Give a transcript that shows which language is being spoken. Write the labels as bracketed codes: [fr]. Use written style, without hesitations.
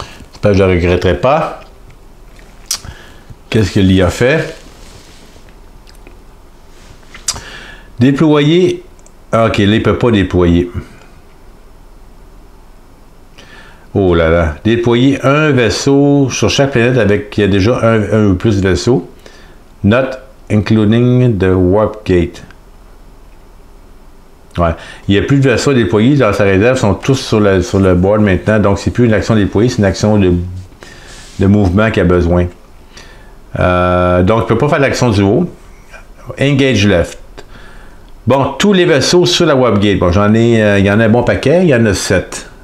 [fr] J'espère que je ne le regretterai pas. Qu'est-ce que l'IA fait? Déployer. OK, là, il ne peut pas déployer. Oh là là. Déployer un vaisseau sur chaque planète avec il y a déjà un ou plus de vaisseaux. [en] Not including the warp gate. [fr] Ouais. Il n'y a plus de vaisseau déployé dans sa réserve. Ils sont tous sur le board maintenant. Donc, c'est plus une action déployée, c'est une action de mouvement qu'il a besoin. Donc, il ne peut pas faire l'action du haut. [en] Engage left. [fr] Bon, tous les vaisseaux sur la warp gate. Bon, j'en ai, il y en a un bon paquet. Il y en a 7.